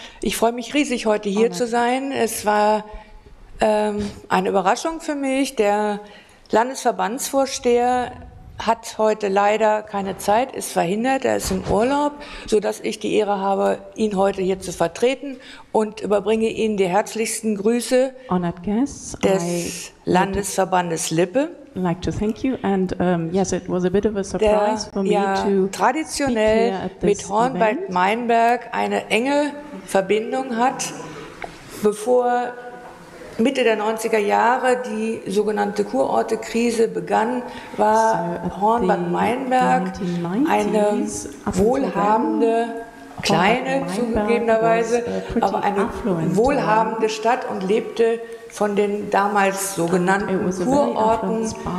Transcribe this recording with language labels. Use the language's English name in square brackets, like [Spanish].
[German] Ich freue mich riesig, heute hier zu sein. Es war eine Überraschung für mich. Der Landesverbandsvorsteher hat heute leider keine Zeit, ist verhindert, er ist im Urlaub, sodass ich die Ehre habe, ihn heute hier zu vertreten und überbringe Ihnen die herzlichsten Grüße des Landesverbandes Lippe. [English] I'd like to thank you and yes, it was a bit of a surprise for me to speak here at this event. [German] Traditionell mit Hornwald Meinberg eine enge Verbindung hat, bevor Mitte der 90er Jahre die sogenannte Kurortekrise begann, war Hornwald Meinberg eine wohlhabende, kleine zugegebenerweise, aber eine wohlhabende Stadt und lebte von den damals sogenannten Kurorten.